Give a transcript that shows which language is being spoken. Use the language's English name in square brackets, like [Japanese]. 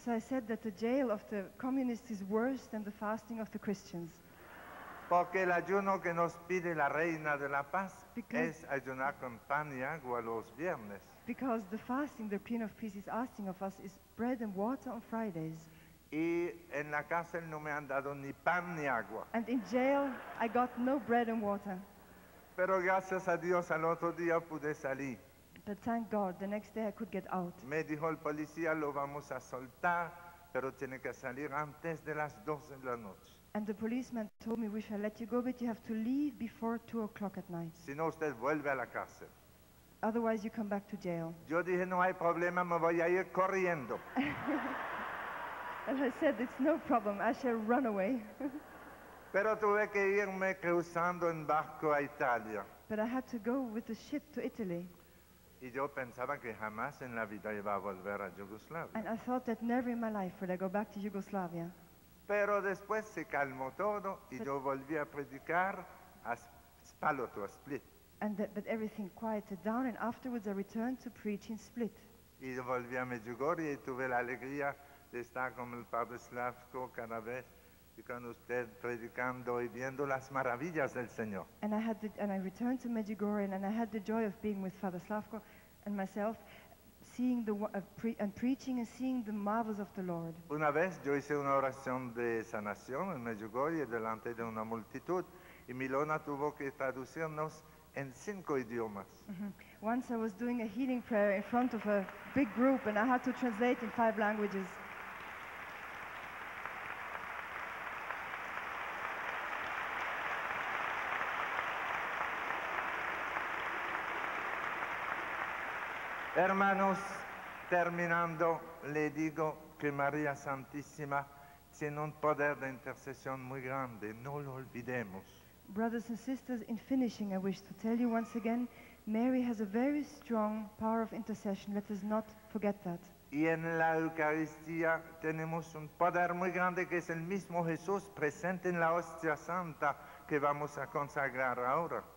[English] So I said that the jail of the communists is worse than the fasting of the Christians. [Spanish] Porque el ayuno que nos pide la Reina de la Paz es ayunar con pan y agua los viernes. [English] Because the fasting the Queen of Peace is asking of us is bread and water on Fridays. [Spanish] Y en la cárcel no me han dado ni pan ni agua. [English] And in jail I got no bread and water. [Spanish] Pero gracias a Dios al otro día pude salir. [English] But thank God, the next day I could get out. [Spanish] Me dijo el policía, lo vamos a soltar, pero tiene que salir antes de las 12 de la noche. [English] And the policeman told me, we shall let you go, but you have to leave before 2 o'clock at night. [Spanish] Si no, usted vuelve a la cárcel. [English] Otherwise, you come back to jail. [Spanish] Yo dije, no hay problema, me voy a ir corriendo. [English] And I said, it's no problem, I shall run away. [Spanish] Pero tuve que irme cruzando en barco a Italia. [English] But I had to go with the ship to Italy. [Spanish] Y yo pensaba que jamás en la vida iba a volver a Yugoslavia. [English] And I thought that never in my life would I go back to Yugoslavia. [Spanish] Pero después se calmó todo y yo volví a predicar a Spalato, a Split. [English] But everything quieted down and afterwards I returned to preach in Split. [Spanish] Y yo volví a Medjugorje y tuve la alegría de estar con el Padre Slavko cada vez y con usted predicando y viendo las maravillas del Señor. [English] And I returned to Medjugorje and I had the joy of being with Father Slavko and myself, seeing and preaching and seeing the marvels of the Lord. [Spanish] Una vez yo hice una oración de sanación en Medjugorje delante de una multitud y Milona tuvo que traducirnos en 5 idiomas. [English] Mm-hmm. Once I was doing a healing prayer in front of a big group and I had to translate in 5 languages. [Spanish] Hermanos, terminando, le digo que María Santísima tiene un poder de intercesión muy grande. No lo olvidemos. [English] Brothers and sisters, in finishing, I wish to tell you once again, Mary has a very strong power of intercession. Let us not forget that. [Spanish] Y en la Eucaristía tenemos un poder muy grande que es el mismo Jesús presente en la Hostia Santa que vamos a consagrar ahora.